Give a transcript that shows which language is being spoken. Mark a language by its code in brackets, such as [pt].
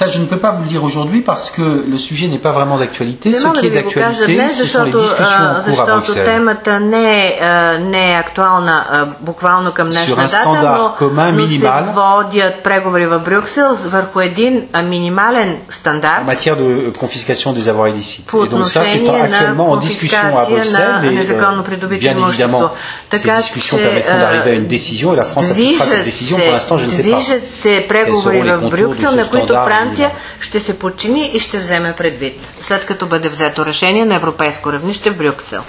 [fr] Ça, je ne peux pas vous le dire aujourd'hui parce que le sujet n'est pas vraiment d'actualité. Ce qui est d'actualité, ce sont les discussions en cours à Bruxelles. [bg] Защото темата не е актуална буквално към днешна дата, но се водят преговори в Брюксел върху един минимален стандарт. [fr] En matière de confiscation des avoirs illicites. Et donc ça c'est actuellement en discussion à Bruxelles et bien évidemment ces discussions permettront d'arriver à une décision et la France appuiera cette décision. Pour l'instant, je ne sais pas. [bg] Движат се преговори в Брюксел, на които Франция ще се подчини и ще вземе предвид, след като бъде взето решение на европейско равнище в Брюксел.